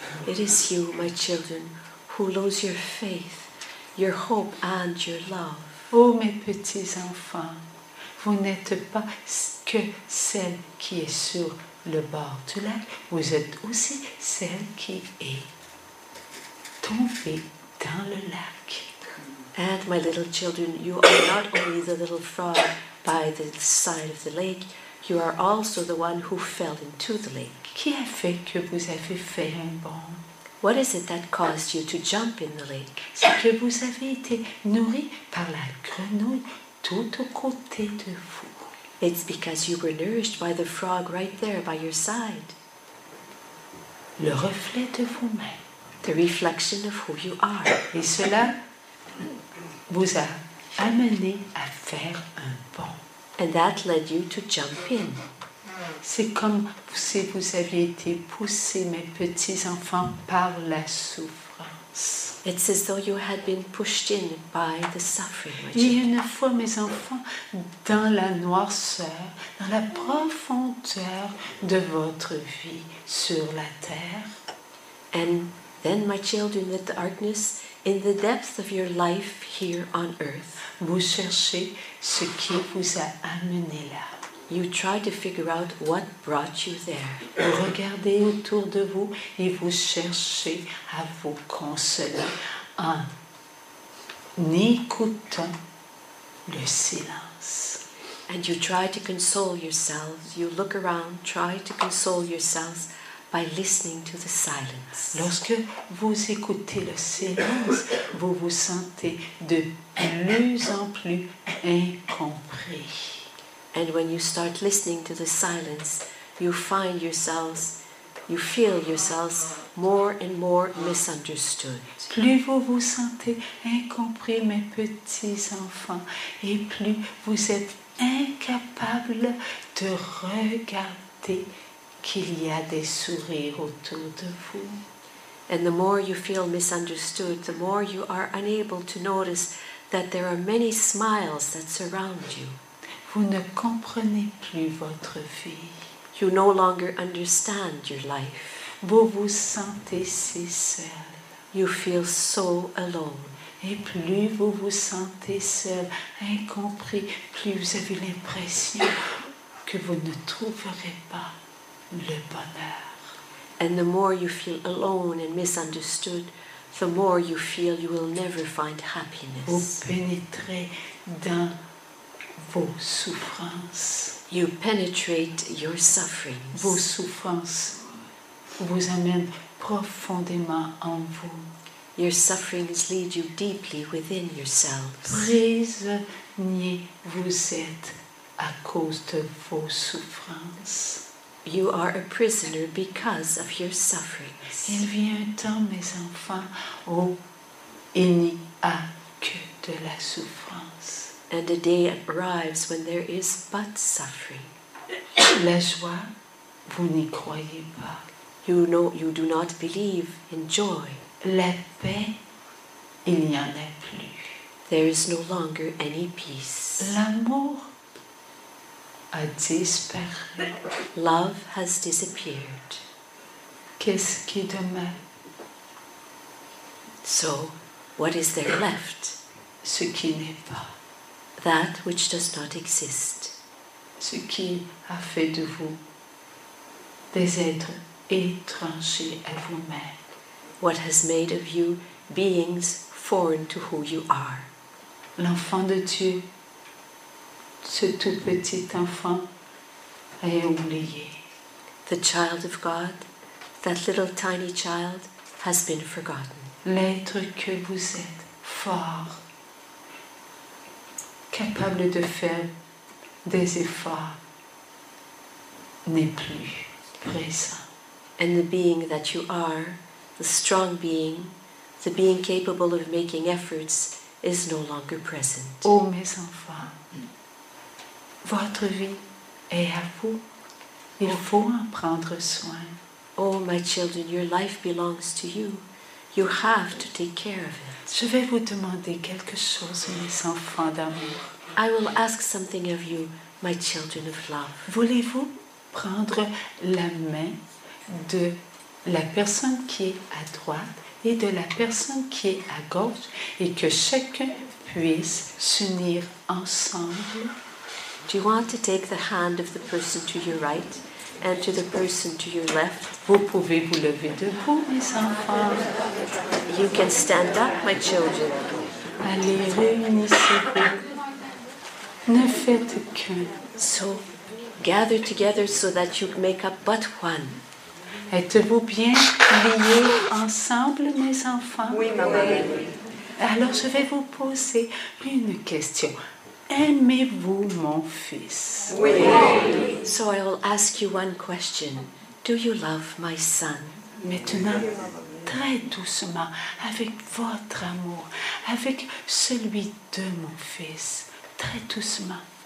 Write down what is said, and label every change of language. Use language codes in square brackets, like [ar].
[en] It is you, my children, who lose your faith, your hope and your love. [fr] Oh, mes petits enfants, vous n'êtes pas que celle qui est sur le bord du lac, vous êtes aussi celle qui est tombée dans le lac. [en] And my little children, you are not only the little frog by the side of the lake, you are also the one who fell into the lake. [fr] Qui a fait que vous avez fait un bond? [en] What is it that caused you to jump in the lake? [fr] C'est que vous avez été nourri par la grenouille tout au côté de vous. [en] It's because you were nourished by the frog right there by your side. [fr] Le reflet de vous-même. [en] The reflection of who you are. [fr] Et cela vous a amené à faire un bond. [en] And that led you to jump in. [fr] C'est comme si vous aviez été poussé, mes petits enfants, par la souffrance. [en] It's as though you had been pushed in by the suffering. [fr] Et une fois, mes enfants, dans la noirceur, dans la profondeur de votre vie sur la terre. [en] And then, my children, the darkness. In the depth of your life here on earth, [fr] vous cherchez ce qui vous a amené là. [en] You try to figure out what brought you there. [fr] Vous regardez autour de vous et vous cherchez à vous consoler en écoutant le silence. [en] And you try to console yourselves. You look around, try to console yourselves by listening to the silence. [fr] Lorsque vous écoutez le silence, vous vous sentez de plus en plus incompris. [en] And when you start listening to the silence, you find yourselves, you feel yourselves more and more misunderstood. [fr] Plus vous vous sentez incompris, mes petits enfants, et plus vous êtes incapable de regarder qu'il y a des sourires autour de vous. [en] And the more you feel misunderstood, the more you are unable to notice that there are many smiles that surround you. [fr] Vous ne comprenez plus votre vie. [en] You no longer understand your life. [fr] Vous vous sentez si seul. [en] You feel so alone. [fr] Et plus vous vous sentez seul, incompris, plus vous avez l'impression que vous ne trouverez pas le bonheur. [en] And the more you feel alone and misunderstood, the more you feel you will never find happiness. [fr] Vous pénétrez dans vos souffrances. [en] You penetrate your sufferings. [fr] Vos souffrances vous amènent profondément en vous. [en] Your sufferings lead you deeply within yourselves. [fr] Prisonnier vous êtes à cause de vos souffrances. [en] You are a prisoner because of your sufferings. [fr] Il vient un temps, mes enfants, où il n'y a que de la souffrance. [en] And a day arrives when there is but suffering. [fr] La joie, vous n'y croyez pas. [en] You know, you do not believe in joy. [fr] La paix, il n'y en a plus. [en] There is no longer any peace. [fr] L'amour a disparu. [en] Love has disappeared. [fr] Qu'est-ce qui demeure? [en] So, what is there left? [fr] Ce qui n'est pas. [en] That which does not exist. [fr] Ce qui a fait de vous des êtres étrangers à vous-même. [en] What has made of you beings foreign to who you are. [fr] L'enfant de Dieu, ce tout petit enfant, est oublié. [en] The child of God, that little tiny child, has been forgotten. [fr] L'être que vous êtes, fort, capable de faire des efforts n'est plus présent. [en] And the being that you are, the strong being, the being capable of making efforts, is no longer present. [fr] Oh mes enfants, votre vie est à vous. Il faut en prendre soin. [en] Oh my children, your life belongs to you. You have to take care of it. [fr] Je vais vous demander quelque chose, mes enfants d'amour. [en] I will ask something of you, my children of love. [fr] Voulez-vous prendre la main de la personne qui est à droite et de la personne qui est à gauche et que chacun puisse s'unir ensemble? [en] Do you want to take the hand of the person to your right and to the person to your left? [fr] Vous pouvez vous lever debout, mes enfants. [en] You can stand up, my children. [fr] Allez, réunissez-vous. Ne faites qu'un. [en] So, gather together so that you make up but one. [fr] Êtes-vous bien liés ensemble, mes enfants? Oui, maman. Alors, je vais vous poser une question. Aimez-vous mon fils? Oui. [en] So I will ask you one question. Do you love my son? [fr] Maintenant, très doucement, avec votre amour, avec celui de mon fils, très doucement.